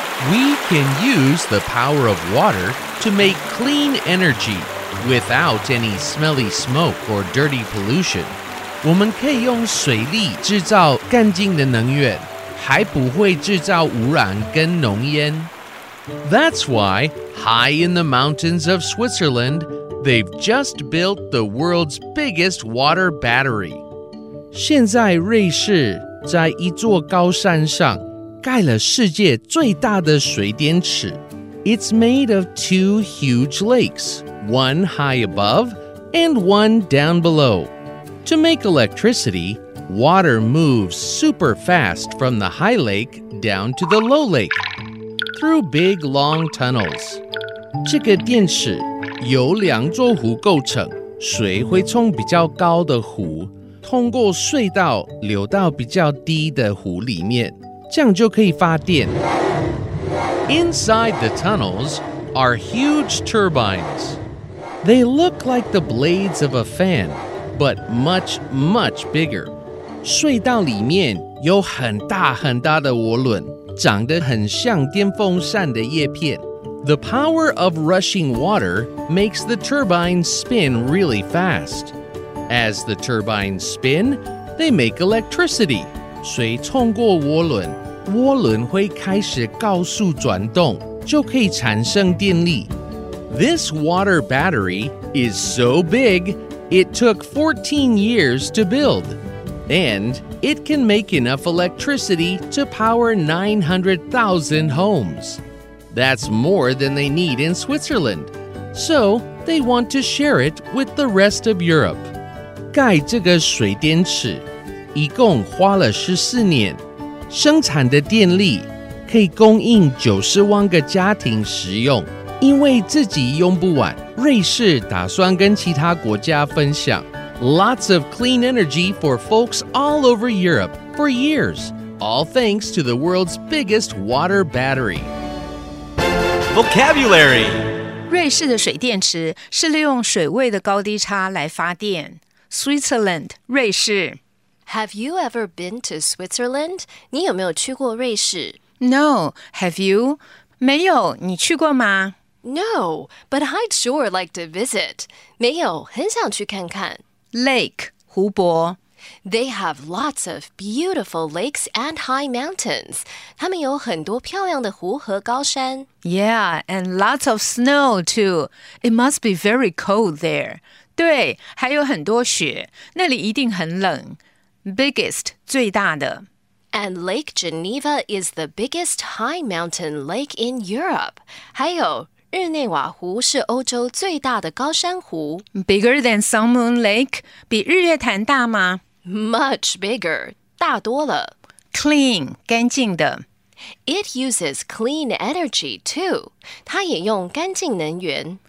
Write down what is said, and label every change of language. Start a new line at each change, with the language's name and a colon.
English: We can use the power of water to make clean energy without any smelly smoke or dirty pollution.
Chinese: 我们可以用水力制造干净的能源，还不会制造污染跟浓烟。
English: That's why, high in the mountains of Switzerland, they've just built the world's biggest water battery.
Chinese: 现在瑞士在一座高山上盖了世界最大的水电池。
English: It's made of two huge lakes, one high above and one down below. To make electricity, water moves super fast from the high lake down to the low lake, through big long tunnels.
Chinese: 这个电池由两座湖构成，水会从比较高的湖通过隧道流到比较低的湖里面，这样就可以发电。
English: Inside the tunnels are huge turbines. They look like the blades of a fan, but much, much bigger.
Chinese: 隧道里面有很大很大的涡轮，长得很像电风扇的叶片。
English: The power of rushing water makes the turbines spin really fast. As the turbines spin, they make electricity.
Chinese: 水通过涡轮，涡轮会开始高速转动，就可以产生电力。
English: This water battery is so big, it took 14 years to build. And it can make enough electricity to power 900,000 homes. That's more than they need in Switzerland. So they want to share it with the rest of Europe.
Chinese: 盖这个水电池一共花了14年。生产的电力可以供应90万个家庭使用，因为自己用不完，瑞士打算跟其他国家分享。
English: Lots of clean energy for folks all over Europe for years, all thanks to the world's biggest water battery. Vocabulary.
Chinese: 瑞士的水电池是利用水位的高低差来发电。
English: Switzerland, 瑞士。 Have you ever been to Switzerland?
Chinese: 你有没有去过瑞士?
English: No, have you?
Chinese: 没有,你去过吗?
English: No, but I'd sure like to visit.
Chinese: 没有,很想去看看。
English: Lake, 湖泊。 They have lots of beautiful lakes and high mountains.
Chinese: 他们有很多漂亮的湖和高山。
English: Yeah, and lots of snow too. It must be very cold there.
Chinese: 对,还有很多雪,那里一定很冷。
English: Biggest, 最大的。 And Lake Geneva is the biggest high mountain lake in Europe.
Chinese: 还有日内瓦湖是欧洲最大的高山湖。
English: Bigger than Sun Moon Lake?
Chinese: 比日月潭大吗?
English: Much bigger,
Chinese: 大多了。
English: Clean, 干净的。 It uses clean energy too.
Chinese: 它也用干净能源。